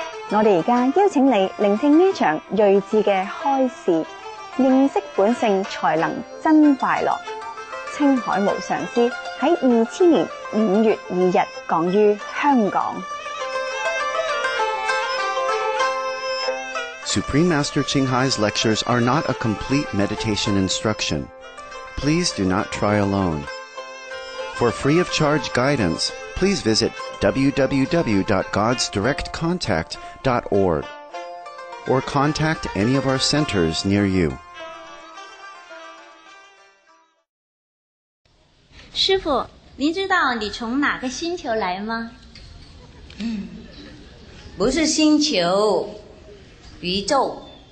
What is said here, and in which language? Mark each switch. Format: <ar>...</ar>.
<zh>我们现在邀请你聆听这场睿智的开示，认识本性才能真快乐。青海无上师在2000年5月2日讲于香港。</zh> <en>Supreme Master Qinghai's lectures are not a complete meditation instruction. Please do not try alone. For free of charge guidance, please visit www.godsdirectcontact.org or contact any of our centers near you.</en> <zh>师父，您知道你从哪个星球来吗？不是星球，宇宙。</zh>